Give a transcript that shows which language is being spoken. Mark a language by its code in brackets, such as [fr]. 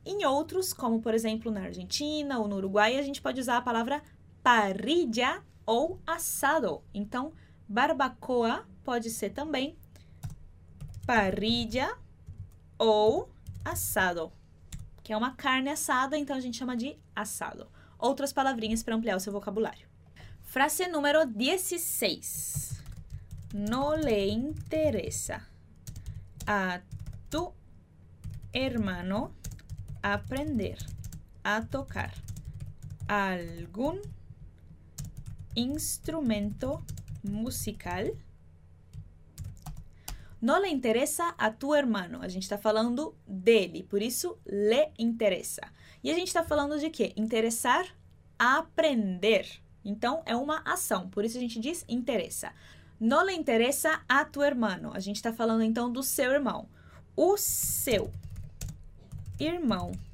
[pt] Em outros, como, por exemplo, na Argentina ou no Uruguai, a gente pode usar a palavra parrilla ou asado. Então, barbacoa pode ser também parrilla ou asado, que é uma carne assada, então a gente chama de asado. Outras palavrinhas para ampliar o seu vocabulário. Frase número 16. [es] No le interesa a tu hermano aprender a tocar algún instrumento musical. No le interesa a tu hermano. [pt] A gente está falando dele, por isso [es] le interesa. [pt] E a gente está falando de quê? Interessar, aprender. Então, é uma ação, por isso a gente diz interessa. [es] No le interesa a tu hermano. [pt] A gente está falando, então, do seu irmão. O seu irmão.